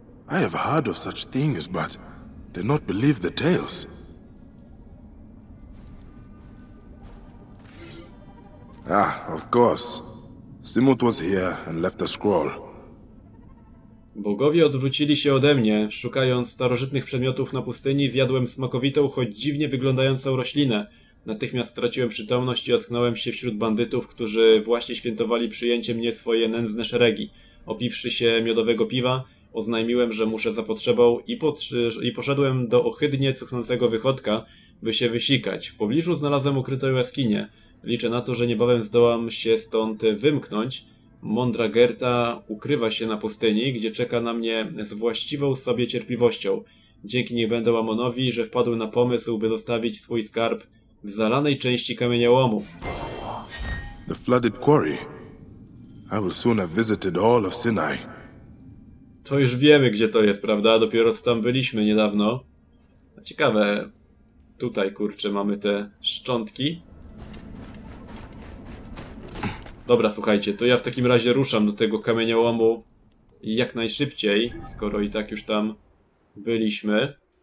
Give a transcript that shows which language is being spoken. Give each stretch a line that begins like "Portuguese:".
English: I have heard of such things, but did not believe the tales. Ah, of course. Simut was here and left a scroll.
Polish: Bogowie odwrócili się ode mnie, szukając starożytnych przedmiotów na pustyni, zjadłem smakowitą, choć dziwnie wyglądającą roślinę. Natychmiast straciłem przytomność i ocknąłem się wśród bandytów, którzy właśnie świętowali przyjęcie mnie w swoje nędzne szeregi. Opiwszy się miodowego piwa, oznajmiłem, że muszę za potrzebą i poszedłem do ohydnie cuchnącego wychodka, by się wysikać. W pobliżu znalazłem ukrytą jaskinię. Liczę na to, że niebawem zdołam się stąd wymknąć. Mądra Gerta ukrywa się na pustyni, gdzie czeka na mnie z właściwą sobie cierpliwością. Dzięki niej będę Amonowi, że wpadł na pomysł, by zostawić swój skarb w zalanej części kamieniołomu.
English: The flooded quarry. I will soon have visited all of Sinai.
Polish: To już wiemy, gdzie to jest, prawda? Dopiero co tam byliśmy niedawno. A ciekawe, tutaj kurczę mamy te szczątki. Dobra, słuchajcie, to ja w takim razie ruszam do tego kamieniołomu jak najszybciej, skoro i tak już tam byliśmy.